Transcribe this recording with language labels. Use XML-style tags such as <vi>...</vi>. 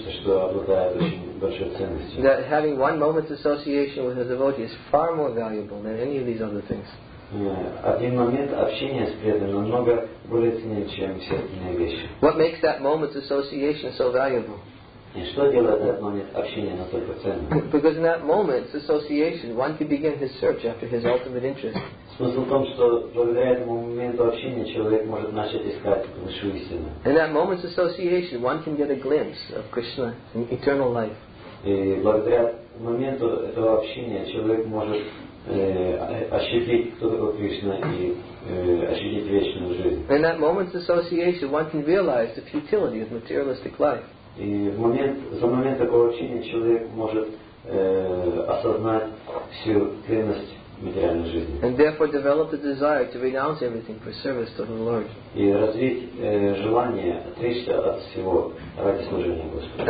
<en>That having one moment's association with a devotee is far more valuable than any of these other things.</en> <ru>Один момент общения с преданным намного более ценен, чем все остальные вещи.</ru> <en>What makes that moment's association so valuable?</en> <ru>И что делает этот момент общения настолько ценным?</ru> <en>Because in that moment's association, one can begin his search after his ultimate interest.</en> <ru>Смысл в том, что благодаря этому моменту общения человек может начать искать высшую истину.</ru> <en>In that moment's association, one can get a glimpse of Krishna, eternal life.</en> <ru>И благодаря моменту этого общения человек может ощутить, кто такой Кришна, и ощутить вечную жизнь.</ru> <en>In that moment's association, one can realize the futility of materialistic life.</en> <ru>И в момент, за момент такого общения человек может осознать всю ценность материальной жизни.</ru> <en>And therefore develop the desire to renounce everything for service to the Lord.</en> <ru>И развить желание отречься от всего ради служения Господу.</ru>